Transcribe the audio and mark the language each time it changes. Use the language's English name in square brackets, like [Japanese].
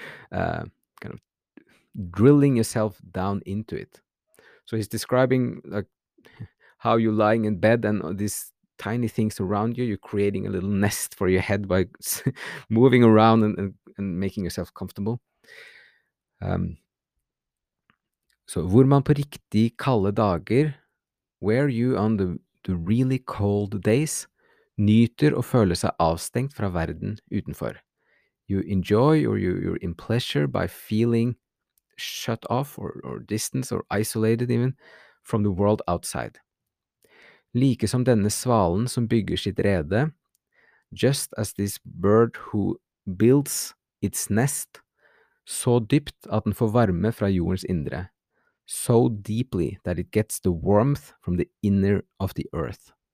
[English] kind of drilling yourself down into it. So he's describing like how you're lying in bed and all these tiny things around you, you're creating a little nest for your head by moving around and making yourself comfortable. [Norwegian] So hvor man på riktig kalle dager, [English] where you on the really cold days, [Norwegian] nyter å føle seg avstengt fra verden utenfor. [English] You enjoy or you're in pleasure by feeling shut off or distance or isolated even from the world outside. Like [Norwegian] som denne svalen som bygger sitt rede, [English] just as this bird who builds its nest [Norwegian] så dypt at den får varme fra jordens indre, [English] so deeply that it gets the warmth from the inner of the earth.